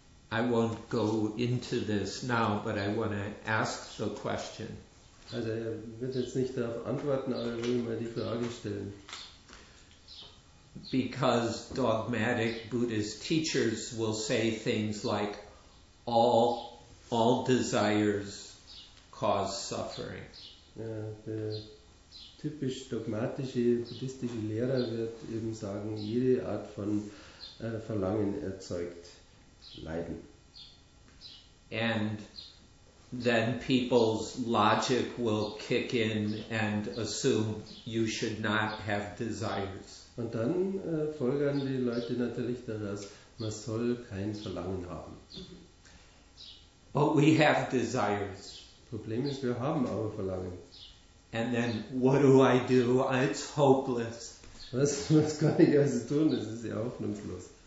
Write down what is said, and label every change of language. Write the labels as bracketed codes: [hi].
[en] I won't go into this now, but I want to ask the question. [de] Also, er wird jetzt nicht darauf antworten, aber will mal die Frage stellen. [en] Because dogmatic Buddhist teachers will say things like all desires cause suffering. [de] Ja, der typisch dogmatische buddhistische Lehrer wird eben sagen, jede Art von Verlangen erzeugt Leiden. [en] And then people's logic will kick in and assume you should not have desires. [de] Und dann folgern die Leute natürlich daraus, man soll kein Verlangen haben. [en] But we have desires. [de] Problem ist, wir haben aber Verlangen. [en] And then what do I do? It's hopeless. [de] Was kann ich also tun? Das ist ja hoffnungslos.